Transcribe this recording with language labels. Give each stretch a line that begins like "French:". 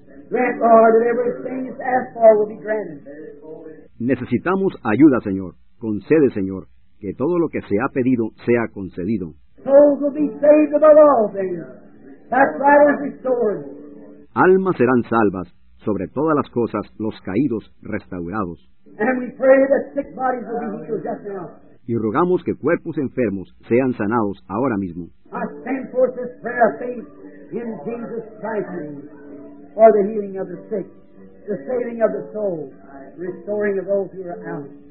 English: Grant, Lord, that everything is asked for will be granted.
Spanish: Necesitamos ayuda, Señor. Concede, Señor, que todo lo que se ha pedido sea concedido.
English: Souls will be saved above all things. That right is restored.
Spanish: Almas serán salvas, sobre todas las cosas, los caídos restaurados.
English: And we pray that sick bodies will be healed just now.
Spanish: Y rogamos que cuerpos enfermos sean sanados ahora mismo.
English: I stand for this prayer of faith in Jesus Christ's name for the healing of the sick, the saving of the soul, restoring of those who are out.